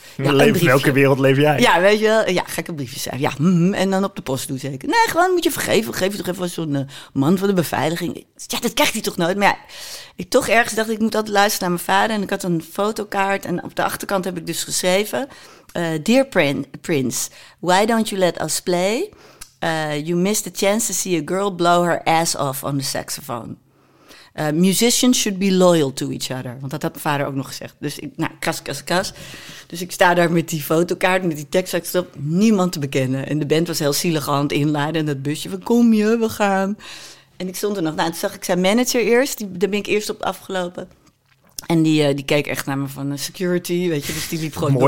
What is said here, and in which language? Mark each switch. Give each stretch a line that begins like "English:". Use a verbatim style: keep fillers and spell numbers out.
Dutch: Ja, leef, welke wereld leef jij? Ja, weet je wel. Ja, ga ik een briefje schrijven. Ja, mm, en dan op de post doen zeker. Nee, gewoon moet je vergeven. Geef je toch even zo'n uh, man van de beveiliging. Ja, dat krijgt hij toch nooit. Maar ja, ik toch ergens dacht, ik moet altijd luisteren naar mijn vader. En ik had een fotokaart. En op de achterkant heb ik dus geschreven.
English: Uh, Dear Prin- Prince, why don't you let us play? Uh, you missed the chance to see a girl blow her ass off on the saxophone. Uh, musicians should be loyal to each other.
Dutch: Want dat had mijn vader ook nog gezegd. Dus ik, nou, kas, kas, kas. Dus ik sta daar met die fotokaart, met die tekst, op, niemand te bekennen. En de band was heel zielig aan het inleiden. En dat busje van, kom je, we gaan. En ik stond er nog. Nou, toen zag ik zijn manager eerst. Die, daar ben ik eerst op afgelopen. En die, uh, die keek echt naar me van uh, security, weet je. Dus die liep gewoon